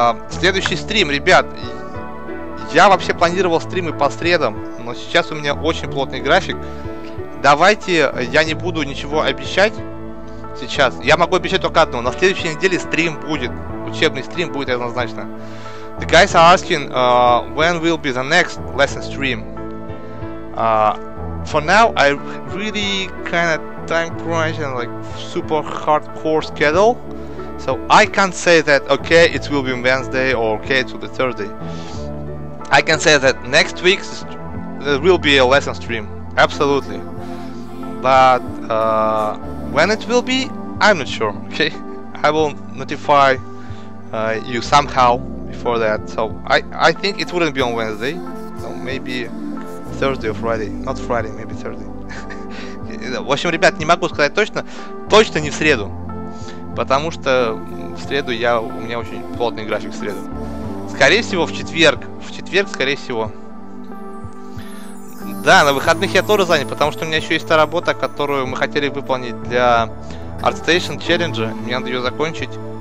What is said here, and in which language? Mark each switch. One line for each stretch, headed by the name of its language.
Russian: Следующий стрим, ребят. Я вообще планировал стримы по средам, но сейчас у меня очень плотный график. Давайте, я не буду ничего обещать сейчас. Я могу обещать только одно. На следующей неделе стрим будет. Учебный стрим будет однозначно.
English: The guys are asking, when will be the next lesson stream? For now, I really kind of time crunch and like super hardcore schedule. So I can't say that, okay, it will be Wednesday or okay, it will be Thursday. I can say that next week there will be a lesson stream. Absolutely. But when it will be, I'm not sure, okay? I will notify you somehow before that. So I think it wouldn't be on Wednesday. So maybe Thursday or Friday. Not Friday, maybe Thursday.
Russian: В общем, ребят, не могу сказать точно. Точно не в среду. Потому что в среду у меня очень плотный график в среду. Скорее всего, в четверг. В четверг, скорее всего. Да, на выходных я тоже занят, потому что у меня еще есть та работа, которую мы хотели выполнить для ArtStation Challenge. Мне надо ее закончить.